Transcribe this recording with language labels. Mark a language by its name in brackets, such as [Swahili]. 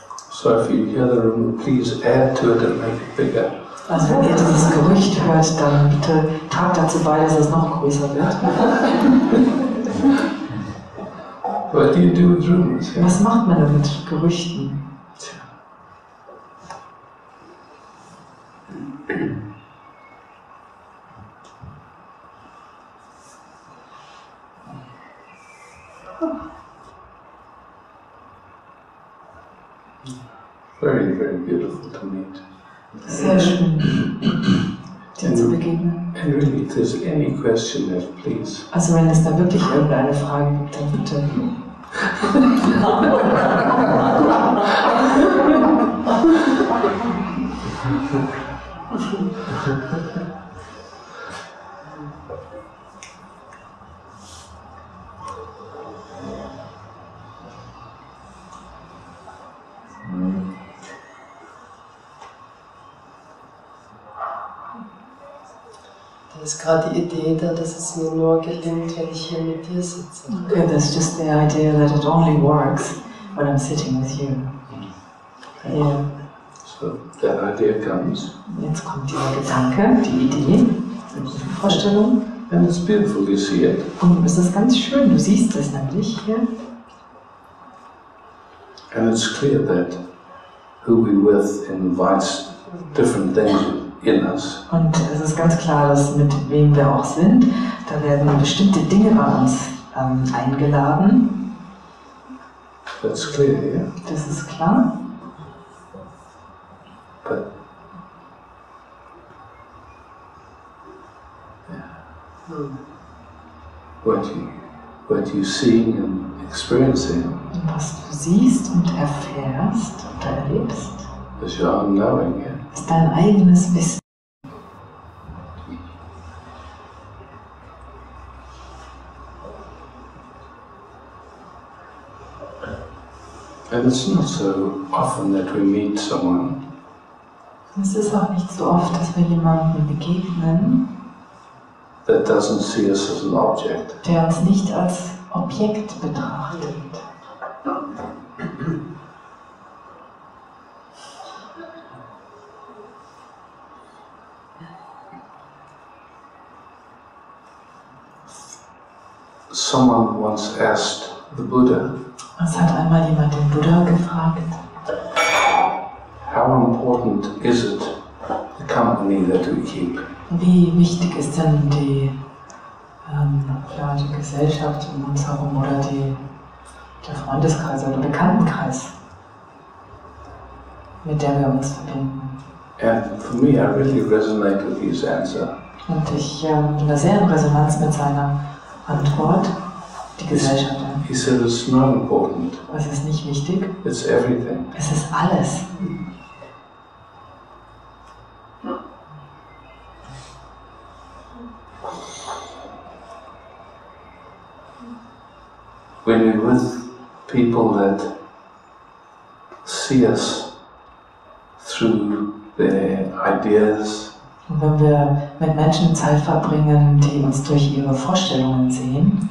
[English] So if you hear the rumor, please add to it and make it bigger. [German] Also wenn ihr dieses Gerücht hört, dann bitte tragt dazu bei, dass es noch größer wird. [English] What do you do with rumors? [German] Was macht man denn mit Gerüchten? [English] Very, very beautiful to meet. [German] Sehr schön, dir zu begegnen. [English] And really, if there's any question left, please. [German] Also wenn es da wirklich irgendeine Frage gibt, dann bitte. Gerade die Idee da, dass es mir nur gelingt, wenn ich hier mit dir sitze. [English] Okay, that's just the idea that it only works when I'm sitting with you. Yeah. So, that idea comes. [German] Jetzt kommt der Gedanke, die Idee, die Vorstellung. [English] And it's beautiful, you see it. [German] Und es ist ganz schön, du siehst es nämlich hier. [English] And it's clear that who we with invites different things. In us. [German] Und es ist ganz klar, dass mit wem wir auch sind, da werden bestimmte Dinge bei uns eingeladen. [English] That's clear, yeah? [German] Das ist klar. [English] But, what you see and experiencing. [German] Was du siehst und erfährst und erlebst. [English] Is your own knowing, yeah? [German] Ist dein eigenes Wissen. [English] And it's not so often that we meet someone. [German] Es ist auch nicht so oft, dass wir jemanden begegnen. [English] That doesn't see us as an object. [German] Der uns nicht als Objekt betrachtet. [English] Someone once asked the Buddha. [German] Was hat einmal jemand den Buddha gefragt? [English] How important is it, the company that we keep? [German] Wie wichtig ist denn die, die Gesellschaft um uns herum oder die, der Freundeskreis oder Bekanntenkreis, mit der wir uns verbinden? [English] And for me, I really resonate with his answer. [German] Und ich bin da sehr in Resonanz mit seiner Antwort, die Gesellschaft. [English] He said, it's not important. [German] Es ist nicht wichtig. [English] It's everything. [German] Es ist alles. [English] When we're with people that see us through their ideas. [German] Und wenn wir mit Menschen Zeit verbringen, die uns durch ihre Vorstellungen sehen,